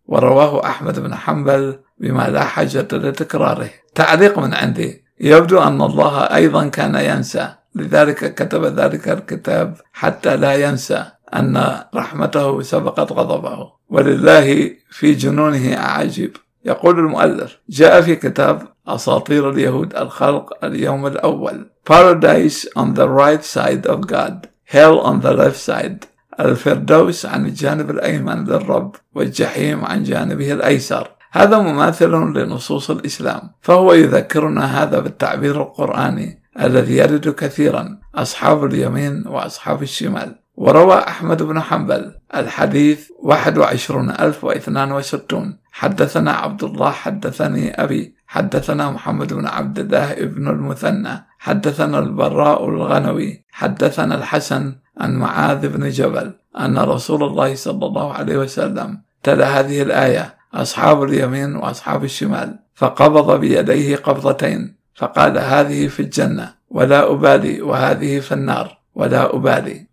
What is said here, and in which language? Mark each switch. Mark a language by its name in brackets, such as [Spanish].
[Arabic] ورواه أحمد بن حنبل بما لا حاجة لتكراره. تعليق من عندي: يبدو أن الله أيضا كان ينسى، لذلك كتب ذلك الكتاب حتى لا ينسى أن رحمته سبقت غضبه. ولله في جنونه أعجب. يقول المؤلف: جاء في كتاب أساطير اليهود الخلق اليوم الأول: [English] Paradise on the right side of God, Hell on the left side. [Arabic] الفردوس عن الجانب الأيمن للرب، والجحيم عن جانبه الأيسر. هذا مماثل لنصوص الإسلام، فهو يذكرنا هذا بالتعبير القرآني الذي يرد كثيرا: أصحاب اليمين وأصحاب الشمال. وروى أحمد بن حنبل الحديث 21062: حدثنا عبد الله، حدثني أبي، حدثنا محمد بن عبد الله ابن المثنى، حدثنا البراء الغنوي، حدثنا الحسن عن معاذ بن جبل أن رسول الله صلى الله عليه وسلم تلا هذه الآية: أصحاب اليمين وأصحاب الشمال، فقبض بيديه قبضتين فقال: هذه في الجنة ولا أبالي، وهذه في النار ولا أبالي.